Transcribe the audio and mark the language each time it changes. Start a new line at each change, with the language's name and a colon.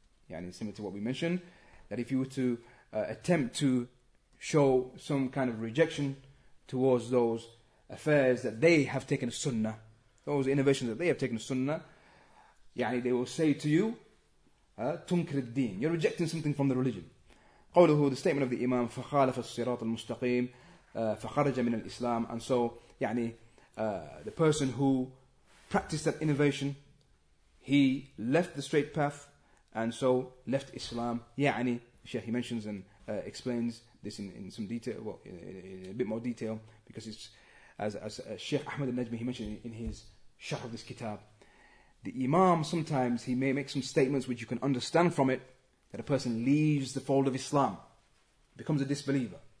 English: Yani, similar to what we mentioned, that if you were to attempt to show some kind of rejection towards those affairs that they have taken a sunnah, those innovations that they have taken a sunnah, yani they will say to you, tunkir al-deen, you're rejecting something from the religion.
Arabic: قوله,
English: the statement of the Imam,
Arabic: فخالف الصراط المستقيم فخرج من الإسلام.
English: And so, yani, the person who practiced that innovation, he left the straight path, and so left Islam. يعني, Shaykh, he mentions and explains this in some detail, well, in a bit more detail, because it's, as Sheikh Ahmed al-Najmi, he mentioned in his sharh of this kitab, the Imam, sometimes he may make some statements which you can understand from it, that a person leaves the fold of Islam, becomes a disbeliever.